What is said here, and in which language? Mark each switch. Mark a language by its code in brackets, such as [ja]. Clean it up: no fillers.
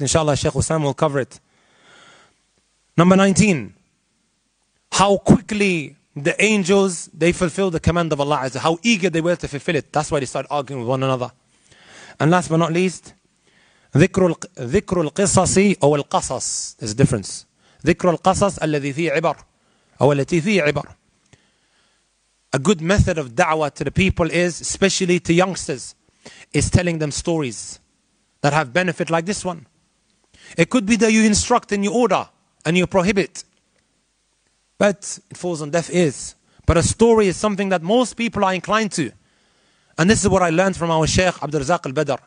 [en] Inshallah, Sheikh Hussam will cover it. Number 19. How quickly the angels, they fulfilled the command of Allah Azza. How eager they were to fulfill it. That's why they started arguing with one another. And last but not least, [ar] ذكر القصص أو القصص. [en] There's a difference. [ar] ذكر القصص الذي فيه عبر أو التي فيه عبر. [en] A good method of da'wah to the people is, especially to youngsters, is telling them stories that have benefit like this one. It could be that you instruct and you order and you prohibit. But it falls on deaf ears. But a story is something that most people are inclined to. And this is what I learned from our Sheikh Abdul Razak al-Badr.